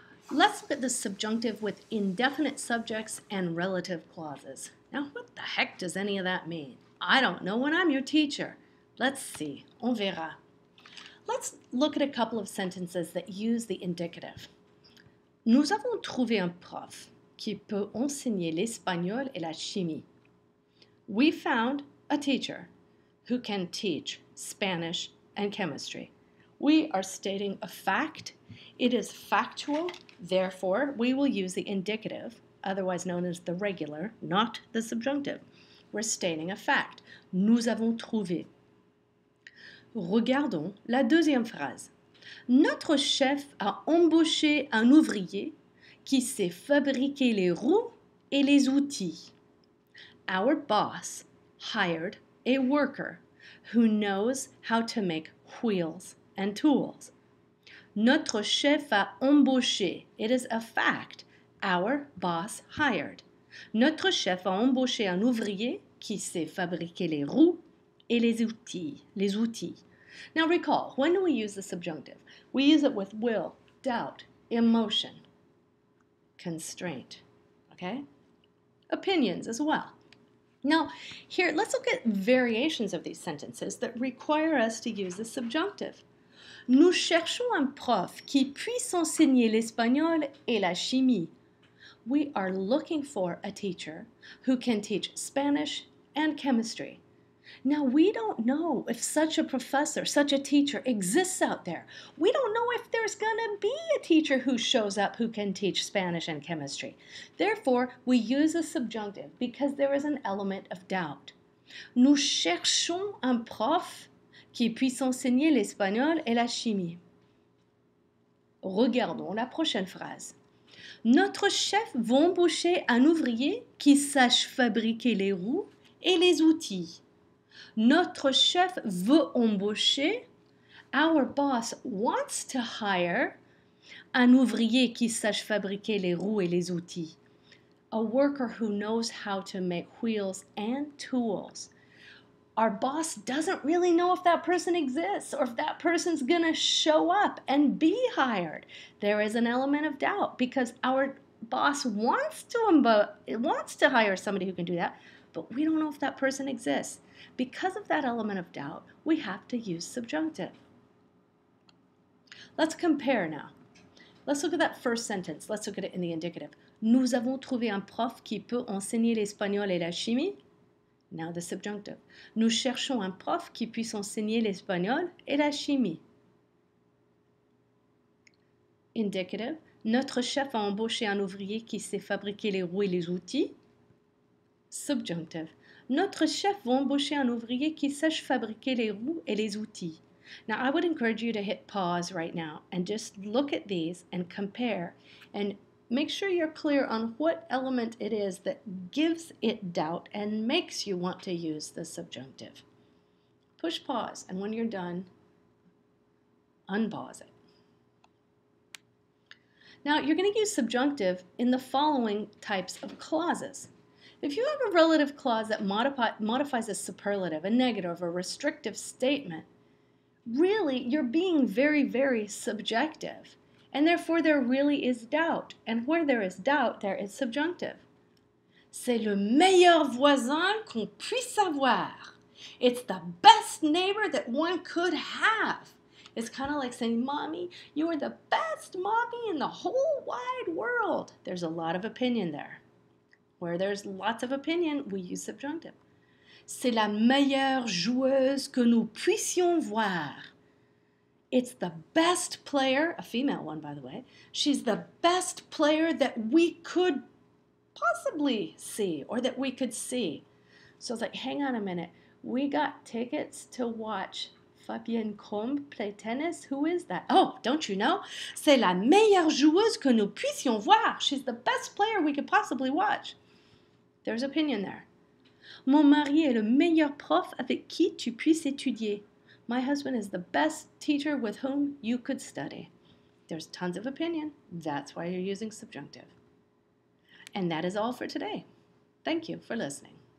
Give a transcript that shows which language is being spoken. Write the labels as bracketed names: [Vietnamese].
[English] Let's look at the subjunctive with indefinite subjects and relative clauses. Now, what the heck does any of that mean? I don't know when I'm your teacher. Let's see. [French] On verra. [English] Let's look at a couple of sentences that use the indicative. [French] Nous avons trouvé un prof qui peut enseigner l'espagnol et la chimie. [English] We found a teacher who can teach Spanish and chemistry. We are stating a fact. It is factual. Therefore, we will use the indicative, otherwise known as the regular, not the subjunctive. We're stating a fact. [French] Nous avons trouvé. Regardons la deuxième phrase. Notre chef a embauché un ouvrier qui sait fabriquer les roues et les outils. [English] Our boss hired a worker who knows how to make wheels and tools. [French] Notre chef a embauché. [English] It is a fact. Our boss hired. [French] Notre chef a embauché un ouvrier qui sait fabriquer les roues et les outils. Les outils. [English] Now recall, when do we use the subjunctive? We use it with will, doubt, emotion, constraint, okay? Opinions as well. Now, here, let's look at variations of these sentences that require us to use the subjunctive. [French] Nous cherchons un prof qui puisse enseigner l'espagnol et la chimie. [English] We are looking for a teacher who can teach Spanish and chemistry. Now, we don't know if such a professor, such a teacher exists out there. We don't know if there's going to be a teacher who shows up who can teach Spanish and chemistry. Therefore, we use a subjunctive because there is an element of doubt. [French] Nous cherchons un prof qui puisse enseigner l'espagnol et la chimie. Regardons la prochaine phrase. Notre chef va embaucher un ouvrier qui sache fabriquer les roues et les outils. Notre chef veut embaucher. [English] Our boss wants to hire [French] un ouvrier qui sache fabriquer les roues et les outils. [English] A worker who knows how to make wheels and tools. Our boss doesn't really know if that person exists or if that person's going to show up and be hired. There is an element of doubt because our boss wants to hire somebody who can do that, but we don't know if that person exists. Because of that element of doubt, we have to use subjunctive. Let's compare now. Let's look at that first sentence. Let's look at it in the indicative. [French] Nous avons trouvé un prof qui peut enseigner l'espagnol et la chimie. [English] Now the subjunctive. [French] Nous cherchons un prof qui puisse enseigner l'espagnol et la chimie. [English] Indicative. [French] Notre chef a embauché un ouvrier qui sait fabriquer les roues et les outils. [English] Subjunctive. [French] Notre chef va embaucher un ouvrier qui sache fabriquer les roues et les outils. [English] Now, I would encourage you to hit pause right now and just look at these and compare and make sure you're clear on what element it is that gives it doubt and makes you want to use the subjunctive. Push pause, and when you're done, unpause it. Now, you're going to use subjunctive in the following types of clauses. If you have a relative clause that modifies a superlative, a negative, a restrictive statement, really, you're being very, very subjective. And therefore, there really is doubt. And where there is doubt, there is subjunctive. [French] C'est le meilleur voisin qu'on puisse avoir. [English] It's the best neighbor that one could have. It's kind of like saying, Mommy, you are the best mommy in the whole wide world. There's a lot of opinion there. Where there's lots of opinion, we use subjunctive. [French] C'est la meilleure joueuse que nous puissions voir. [English] It's the best player, a female one, by the way. She's the best player that we could possibly see or that we could see. So I was like, hang on a minute. We got tickets to watch Fabienne Combe play tennis. Who is that? Oh, don't you know? [French] C'est la meilleure joueuse que nous puissions voir. [English] She's the best player we could possibly watch. There's opinion there. [French] Mon mari est le meilleur prof avec qui tu puisses étudier. [English] My husband is the best teacher with whom you could study. There's tons of opinion. That's why you're using subjunctive. And that is all for today. Thank you for listening.